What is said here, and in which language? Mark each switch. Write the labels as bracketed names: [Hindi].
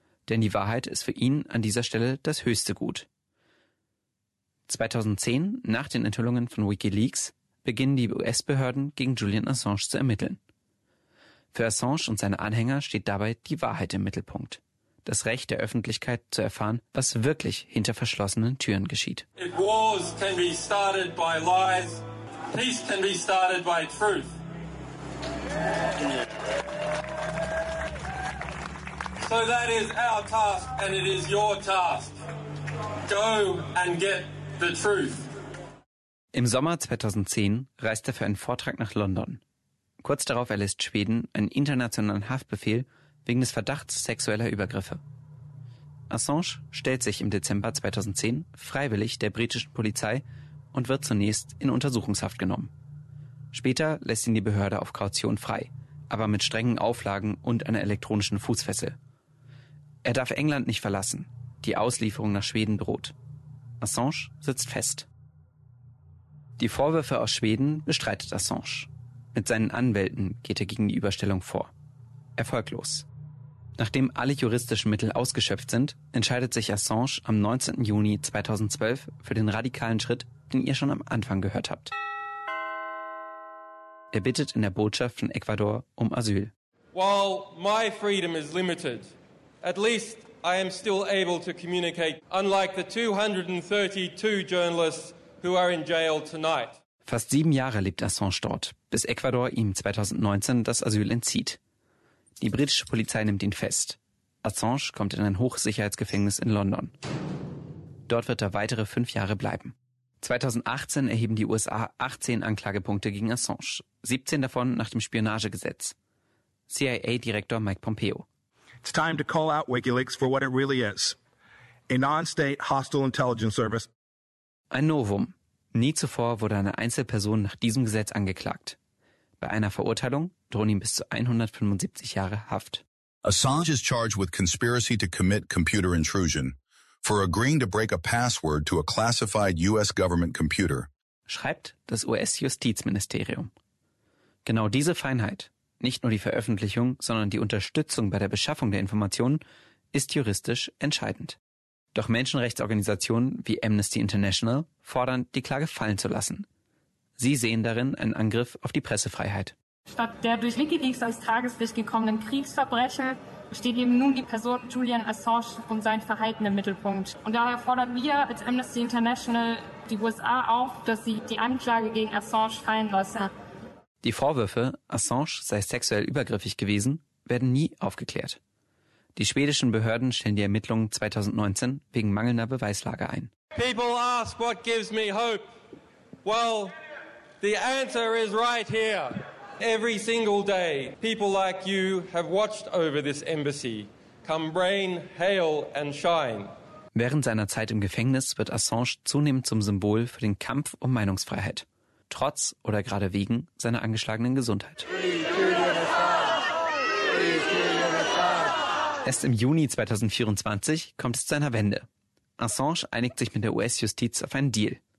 [German] Denn die Wahrheit ist für ihn an dieser Stelle das höchste Gut. 2010, nach den Enthüllungen von WikiLeaks, beginnen die US-Behörden gegen Julian Assange zu ermitteln. Für Assange und seine Anhänger steht dabei die Wahrheit im Mittelpunkt. Das Recht der Öffentlichkeit zu erfahren, was wirklich hinter verschlossenen Türen geschieht. [English] Wars can be started by lies. Peace can be started by truth. So that is our task and it is your task. Go and get the truth. [German] Im Sommer 2010 reist er für einen Vortrag nach London. Kurz darauf erlässt Schweden einen internationalen Haftbefehl wegen des Verdachts sexueller Übergriffe. Assange stellt sich im Dezember 2010 freiwillig der britischen Polizei und wird zunächst in Untersuchungshaft genommen. Später lässt ihn die Behörde auf Kaution frei, aber mit strengen Auflagen und einer elektronischen Fußfessel. Er darf England nicht verlassen. Die Auslieferung nach Schweden droht. Assange sitzt fest. Die Vorwürfe aus Schweden bestreitet Assange. Mit seinen Anwälten geht er gegen die Überstellung vor. Erfolglos. Nachdem alle juristischen Mittel ausgeschöpft sind, entscheidet sich Assange am 19. Juni 2012 für den radikalen Schritt, den ihr schon am Anfang gehört habt. Er bittet in der Botschaft von Ecuador um Asyl. [English] While my freedom is limited, at least I am still able to communicate, unlike the 232 journalists who are in jail tonight. [German] Fast 7 Jahre lebt Assange dort, bis Ecuador ihm 2019 das Asyl entzieht. Die britische Polizei nimmt ihn fest. Assange kommt in ein Hochsicherheitsgefängnis in London. Dort wird er weitere 5 Jahre bleiben. 2018 erheben die USA 18 Anklagepunkte gegen Assange, 17 davon nach dem Spionagegesetz. CIA-Direktor Mike Pompeo: [English] It's time to call out WikiLeaks for what it really is. a non-state hostile intelligence service. [German] Ein Novum. Nie zuvor wurde eine Einzelperson nach diesem Gesetz angeklagt. Bei einer Verurteilung drohen ihm bis zu 175 Jahre Haft. [English] Assange is charged with conspiracy to commit computer intrusion for agreeing to break a password to a classified US government computer, [German] schreibt das US-Justizministerium. Genau diese Feinheit, nicht nur die Veröffentlichung, sondern die Unterstützung bei der Beschaffung der Informationen, ist juristisch entscheidend. Doch Menschenrechtsorganisationen wie Amnesty International fordern, die Klage fallen zu lassen. Sie sehen darin einen Angriff auf die Pressefreiheit. Statt der durch WikiLeaks ans Tageslicht gekommenen Kriegsverbrechen steht eben nun die Person Julian Assange und sein Verhalten im Mittelpunkt. Und daher fordern wir als Amnesty International die USA auf, dass sie die Anklage gegen Assange fallen lassen. Die Vorwürfe, Assange sei sexuell übergriffig gewesen, werden nie aufgeklärt. Die schwedischen Behörden stellen die Ermittlungen 2019 wegen mangelnder Beweislage ein. [English] People ask what gives me hope. Well, the answer is right here. Every single day, people like you have watched over this embassy. Come rain, hail and shine. [German] Während seiner Zeit im Gefängnis wird Assange zunehmend zum Symbol für den Kampf um Meinungsfreiheit. Trotz oder gerade wegen seiner angeschlagenen Gesundheit. Erst im Juni 2024 kommt es zu einer Wende. Assange einigt sich mit der US-Justiz auf einen Deal.